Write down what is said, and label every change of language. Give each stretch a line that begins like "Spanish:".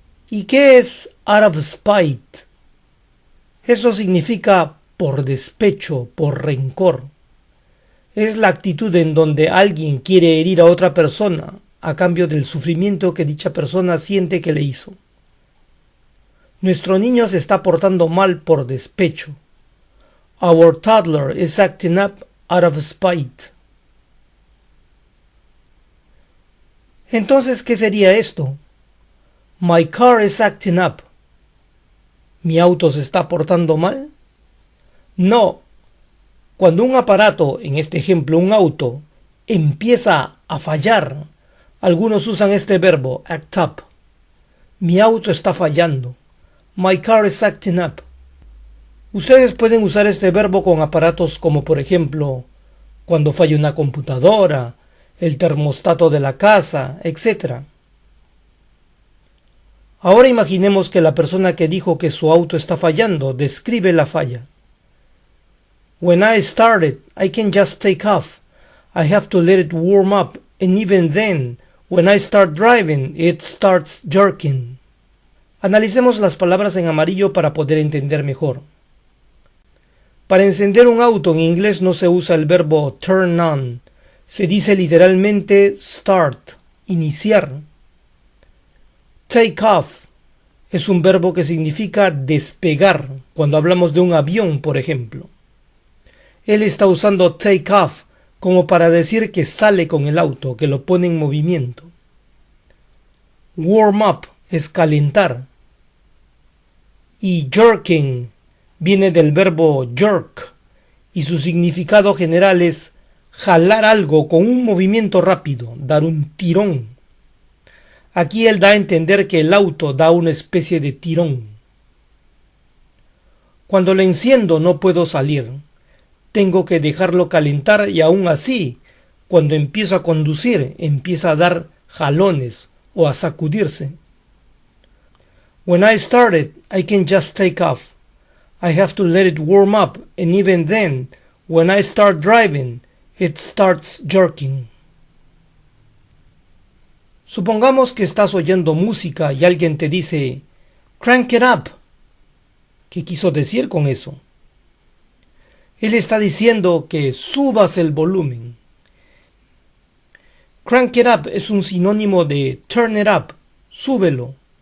Spanish: ¿Y qué es out of spite? Eso significa por despecho, por rencor. Es la actitud en donde alguien quiere herir a otra persona a cambio del sufrimiento que dicha persona siente que le hizo. Nuestro niño se está portando mal por despecho.
English: Our toddler is acting up out of spite.
Spanish: Entonces, ¿qué sería esto?
English: My car is acting up.
Spanish: ¿Mi auto se está portando mal? No. Cuando un aparato, en este ejemplo un auto, empieza a fallar, algunos usan este verbo, act up. Mi auto está fallando.
English: My car is acting up.
Spanish: Ustedes pueden usar este verbo con aparatos como, por ejemplo, cuando falla una computadora, el termostato de la casa, etc. Ahora imaginemos que la persona que dijo que su auto está fallando describe la falla.
English: When I started, I can just take off. I have to let it warm up, and even then, when I start driving, it starts jerking.
Spanish: Analicemos las palabras en amarillo para poder entender mejor. Para encender un auto en inglés no se usa el verbo turn on. Se dice literalmente start, iniciar. Take off es un verbo que significa despegar, cuando hablamos de un avión, por ejemplo. Él está usando take off como para decir que sale con el auto, que lo pone en movimiento. Warm up es calentar. Y jerking viene del verbo jerk, y su significado general es jalar algo con un movimiento rápido, dar un tirón. Aquí él da a entender que el auto da una especie de tirón. Cuando lo enciendo no puedo salir. Tengo que dejarlo calentar y aún así, cuando empiezo a conducir, empieza a dar jalones o a sacudirse.
English: When I started, I can just take off. I have to let it warm up, and even then, when I start driving, it starts jerking.
Spanish: Supongamos que estás oyendo música y alguien te dice, crank it up. ¿Qué quiso decir con eso? Él está diciendo que subas el volumen. Crank it up es un sinónimo de turn it up, súbelo.